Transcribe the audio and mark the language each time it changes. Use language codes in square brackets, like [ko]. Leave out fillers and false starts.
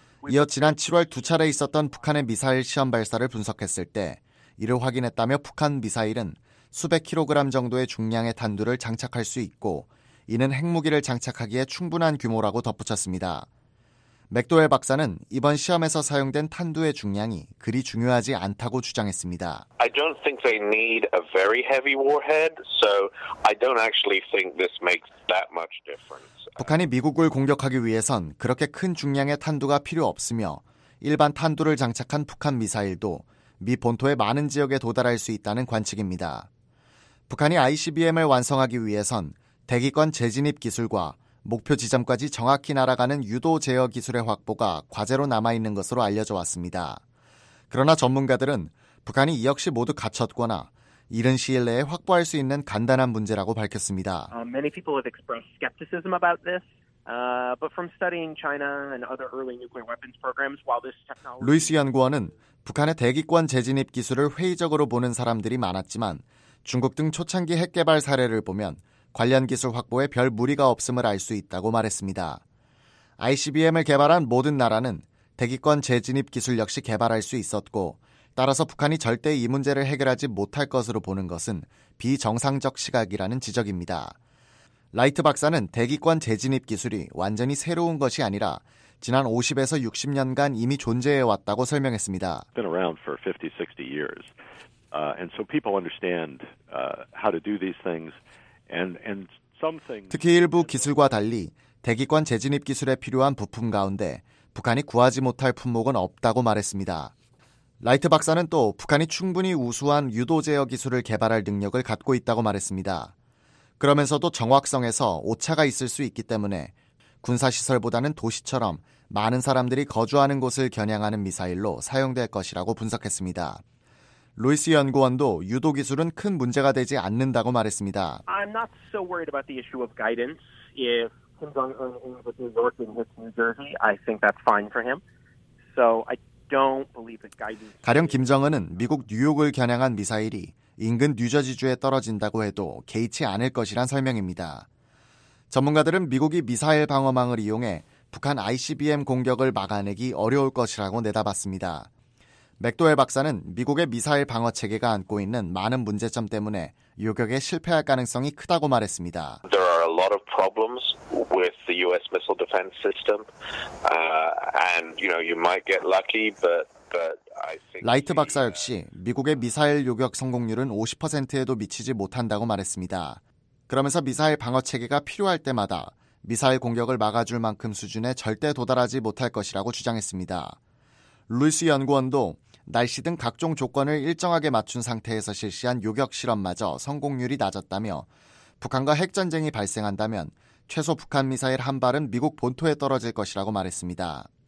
[ko] 이어 지난 7월 두 차례 있었던 북한의 미사일 시험 발사를 분석했을 때 이를 확인했다며 북한 미사일은 수백 킬로그램 정도의 중량의 탄두를 장착할 수 있고 이는 핵무기를 장착하기에 충분한 규모라고 덧붙였습니다. 맥도웰 박사는 이번 시험에서 사용된 탄두의 중량이 그리 중요하지 않다고 주장했습니다. [en] I don't think they need a very heavy warhead, so I don't actually think this makes that much difference. [ko] 북한이 미국을 공격하기 위해선 그렇게 큰 중량의 탄두가 필요 없으며 일반 탄두를 장착한 북한 미사일도 미 본토의 많은 지역에 도달할 수 있다는 관측입니다. 북한이 ICBM을 완성하기 위해선 대기권 재진입 기술과 목표 지점까지 정확히 날아가는 유도 제어 기술의 확보가 과제로 남아있는 것으로 알려져 왔습니다. 그러나 전문가들은 북한이 이 역시 모두 갖췄거나 이른 시일 내에 확보할 수 있는 간단한 문제라고 밝혔습니다. [en] Many people have expressed skepticism about this, but from studying China and other early nuclear weapons programs, while this technology [ko] 루이스 연구원은 북한의 대기권 재진입 기술을 회의적으로 보는 사람들이 많았지만 중국 등 초창기 핵 개발 사례를 보면 관련 기술 확보에 별 무리가 없음을 알 수 있다고 말했습니다. ICBM을 개발한 모든 나라는 대기권 재진입 기술 역시 개발할 수 있었고 따라서 북한이 절대 이 문제를 해결하지 못할 것으로 보는 것은 비정상적 시각이라는 지적입니다. 라이트 박사는 대기권 재진입 기술이 완전히 새로운 것이 아니라 지난 50에서 60년간 이미 존재해왔다고 설명했습니다. [en] Been around for 50, 60 years. And so people understand how to do these things. [ko] 특히 일부 기술과 달리 대기권 재진입 기술에 필요한 부품 가운데 북한이 구하지 못할 품목은 없다고 말했습니다. 라이트 박사는 또 북한이 충분히 우수한 유도 제어 기술을 개발할 능력을 갖고 있다고 말했습니다. 그러면서도 정확성에서 오차가 있을 수 있기 때문에 군사시설보다는 도시처럼 많은 사람들이 거주하는 곳을 겨냥하는 미사일로 사용될 것이라고 분석했습니다. 루이스 연구원도 유도 기술은 큰 문제가 되지 않는다고 말했습니다. [en] I'm not so worried about the issue of guidance. If Kim Jong-un is with New York and hits New Jersey, I think that's fine for him. So I don't believe that guidance. [ko] 가령 김정은은 미국 뉴욕을 겨냥한 미사일이 인근 뉴저지주에 떨어진다고 해도 개의치 않을 것이란 설명입니다. 전문가들은 미국이 미사일 방어망을 이용해 북한 ICBM 공격을 막아내기 어려울 것이라고 내다봤습니다. 맥도웰 박사는 미국의 미사일 방어 체계가 안고 있는 많은 문제점 때문에 요격에 실패할 가능성이 크다고 말했습니다. [en] There are a lot of problems with the US missile defense system. And you know, you might get lucky, but I think [ko] 라이트 박사 역시 미국의 미사일 요격 성공률은 50%에도 미치지 못한다고 말했습니다. 그러면서 미사일 방어 체계가 필요할 때마다 미사일 공격을 막아줄 만큼 수준에 절대 도달하지 못할 것이라고 주장했습니다. 루이스 연구원도 날씨 등 각종 조건을 일정하게 맞춘 상태에서 실시한 요격 실험마저 성공률이 낮았다며 북한과 핵전쟁이 발생한다면 최소 북한 미사일 한 발은 미국 본토에 떨어질 것이라고 말했습니다.